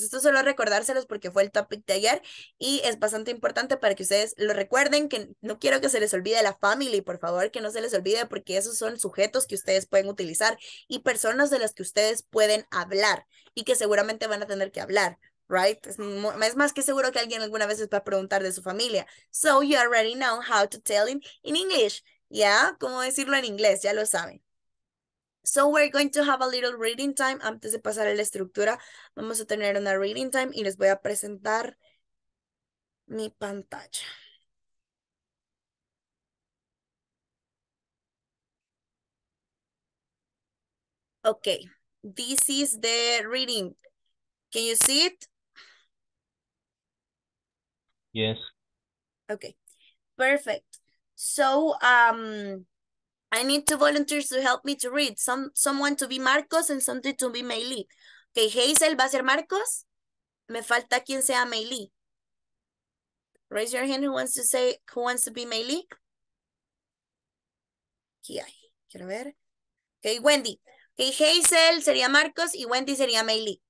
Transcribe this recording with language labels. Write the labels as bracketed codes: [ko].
[es] Esto solo recordárselos porque fue el topic de ayer y es bastante importante para que ustedes lo recuerden, que no quiero que se les olvide la family, por favor, que no se les olvide, porque esos son sujetos que ustedes pueden utilizar y personas de las que ustedes pueden hablar y que seguramente van a tener que hablar, right? Es más que seguro que alguien alguna vez les va a preguntar de su familia. [en] So you already know how to tell him in English, yeah? [es] ¿Cómo decirlo en inglés? Ya lo saben. [en] So we're going to have a little reading time. Antes de pasar a la estructura, vamos a tener una reading time y les voy a presentar mi pantalla. Okay, this is the reading. Can you see it? Yes. Okay, perfect. So, I need two volunteers to help me to read. Someone to be Marcos and something to be Meili. Okay, [es] Hazel va a ser Marcos. Me falta quien sea Meili. [en] Raise your hand who wants to be Meili. [es] Aquí hay. Quiero ver. Okay, Wendy. Okay, Hazel sería Marcos y Wendy sería Meili.